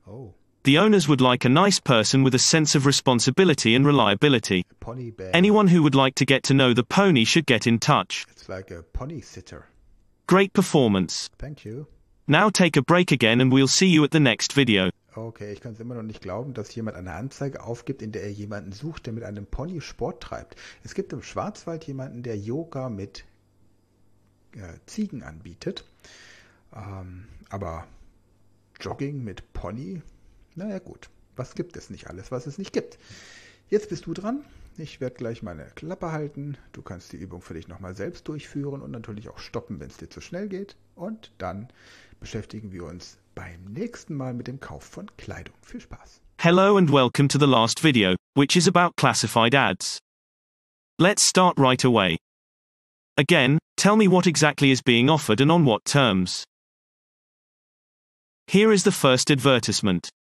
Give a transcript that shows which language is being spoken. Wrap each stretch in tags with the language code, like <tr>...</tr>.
<en>Oh. The owners would like a nice person with a sense of responsibility and reliability. Pony bear. Anyone who would like to get to know the pony should get in touch. It's like a pony sitter. Great performance. Thank you. Now take a break again and we'll see you at the next video.</en> <de>Okay, ich kann es immer noch nicht glauben, dass jemand eine Anzeige aufgibt, in der er jemanden sucht, der mit einem Pony Sport treibt. Es gibt im Schwarzwald jemanden, der Yoga mit Ziegen anbietet. Aber Jogging mit Pony? Naja gut, was gibt es nicht alles, was es nicht gibt? Jetzt bist du dran. Ich werde gleich meine Klappe halten. Du kannst die Übung für dich nochmal selbst durchführen und natürlich auch stoppen, wenn es dir zu schnell geht. Und dann beschäftigen wir uns beim nächsten Mal mit dem Kauf von Kleidung. Viel Spaß.</de> <en>Hello and welcome to the last video, which is about classified ads. Let's start right away. Again, tell me what exactly is being offered and on what terms. Here is the first advertisement.</en>